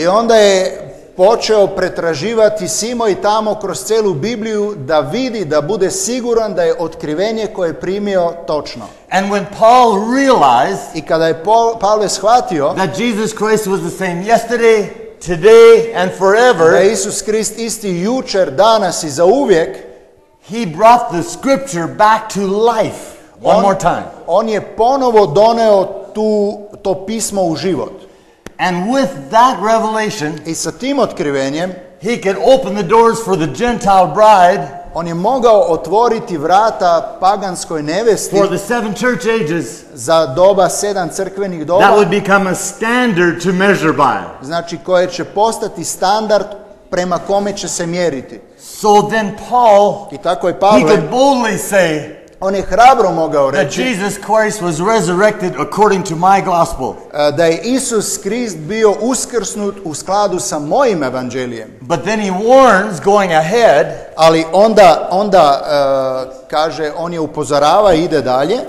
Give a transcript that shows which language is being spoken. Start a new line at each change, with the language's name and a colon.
Croatian: I onda je počeo pretraživati simo i tamo kroz celu Bibliju da vidi, da bude siguran da je otkrivenje koje je primio točno.
English: And when Paul realized,
Croatian: i kada je Pavle shvatio,
English: that Jesus Christ was the same yesterday, today and forever,
Croatian: da je Isus Krist isti jučer, danas i za uvijek,
English: he brought the scripture back to life one more time.
Croatian: On je ponovo doneo to pismo u život.
English: And with that revelation,
Croatian: i sa tim otkrivenjem,
English: he could open the doors for the Gentile bride.
Croatian: On je mogao otvoriti vrata paganskoj nevesti
English: for the seven church ages,
Croatian: za doba sedam crkvenih doba.
English: That would become a standard to measure by.
Croatian: Znači, koje će postati standard prema kome će se mjeriti.
English: So then Paul,
Croatian: i tako je Pavle,
English: he could boldly say,
Croatian: on je hrabro mogao reći,
English: that Jesus Christ was resurrected according to my gospel.
Croatian: Da je Isus Krist bio uskrsnut u skladu sa mojim evanđeljem.
English: But then he warns going ahead,
Croatian: ali onda kaže, on je upozorava i ide dalje.